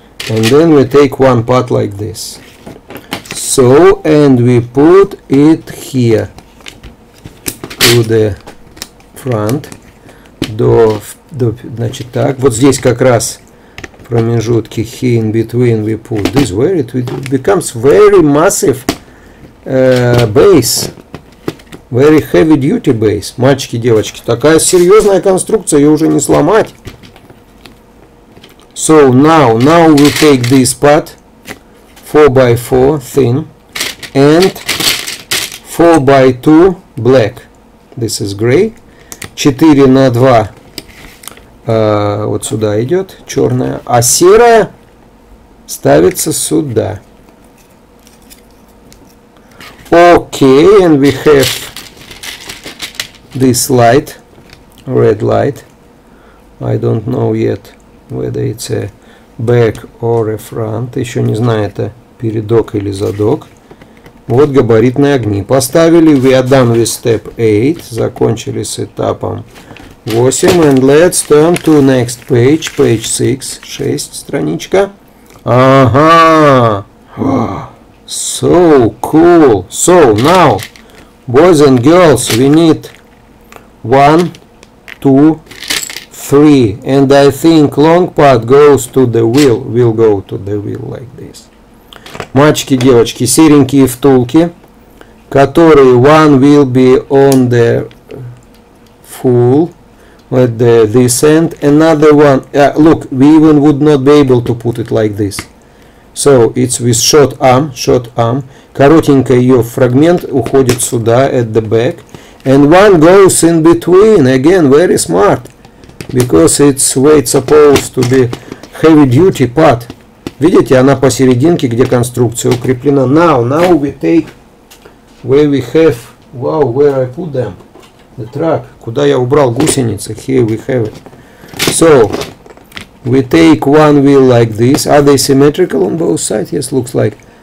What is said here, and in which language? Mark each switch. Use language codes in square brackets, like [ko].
[en] And then we take one part like this. So, and we put it here to the front. [ru] До, значит, так. Вот здесь как раз промежутки. [en] Here in between we put this. Where it becomes very massive base. Very heavy duty base. [ru] Мальчики, девочки, такая серьезная конструкция, ее уже не сломать. [en] So now we take this part 4x4 thin and 4x2 black. This is gray. [ru] 4 на 2 вот сюда идет черная, а серая ставится сюда. [en] Okay, and we have this light, red light. I don't know yet whether it's a back or a front. [ru] Еще не знаю, это передок или задок. [en] Вот габаритные огни. Поставили. We are done with step 8. Закончили с этапом 8. And let's turn to next page. Page 6. [ru] 6 страничка. Ага. [en] So cool. So now, boys and girls, we need 1, 2, 3, and I think long part goes to the wheel. Will go to the wheel like this. Мальчики, девочки, серенькие втулки, которые one will be on the full with the this end, another one. Look, we even would not be able to put it like this. So it's with short arm. Коротенькая ее фрагмент уходит сюда at the back, and one goes in between. Again, very smart. Because it's where it's supposed to be heavy duty part. [ru] Видите, она посерединке, где конструкция укреплена. [en] Now we take where we have. Wow, where I put them? The truck. Куда я убрал гусеницы? Here we have it. So we take one wheel like this. Are they symmetrical on both sides? Yes, looks like.